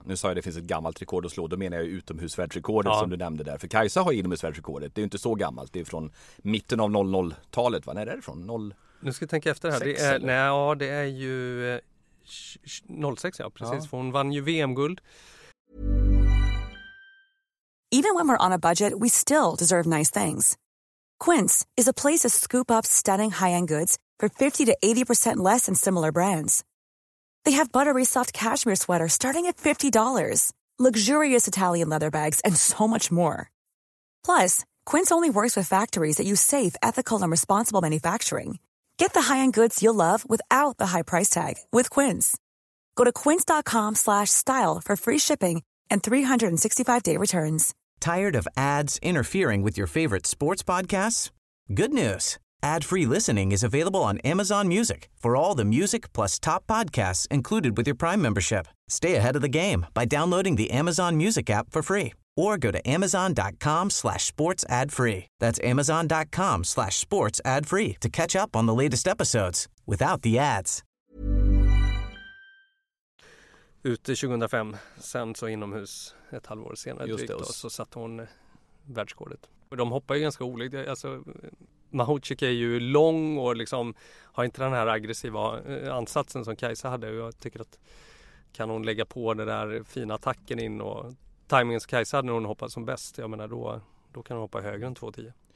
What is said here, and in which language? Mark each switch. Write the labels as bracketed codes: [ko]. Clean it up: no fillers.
[sv] nu sa jag att det finns ett gammalt rekord att slå. Då menar jag utomhusvärldsrekordet, ja, som du nämnde där. För Kajsa har inomhusvärldsrekordet. Det är inte så gammalt. Det är från mitten av 00-talet. Va? När är det från? 0... Nu ska jag tänka efter det här. 6, det är, nej, ja, det är ju 06, ja, precis. Ja. För hon vann ju VM-guld. [en] Even when we're on a budget, we still deserve nice things. Quince is a place to scoop up stunning high-end goods for 50 to 80% less than similar brands. They have buttery soft cashmere sweaters starting at $50, luxurious Italian leather bags, and so much more. Plus, Quince only works with factories that use safe, ethical, and responsible manufacturing. Get the high-end goods you'll love without the high price tag with Quince. Go to quince.com/style for free shipping and 365-day returns. Tired of ads interfering with your favorite sports podcasts? Good news. Ad-free listening is available on Amazon Music for all the music plus top podcasts included with your Prime membership. Stay ahead of the game by downloading the Amazon Music app for free or go to amazon.com/sportsadfree. That's amazon.com/sportsadfree to catch up on the latest episodes without the ads. [sv] Ute 2005, sen så inomhus ett halvår senare. Just drygt, och så satte hon världsrekordet. De hoppar ju ganska olikt. Alltså, Mahoutchik är ju lång och liksom har inte den här aggressiva ansatsen som Kajsa hade. Jag tycker att kan hon lägga på den där fina attacken in och tajmingen som Kajsa hade när hon hoppade som bäst, jag menar, då kan hon hoppa högre än 2,10.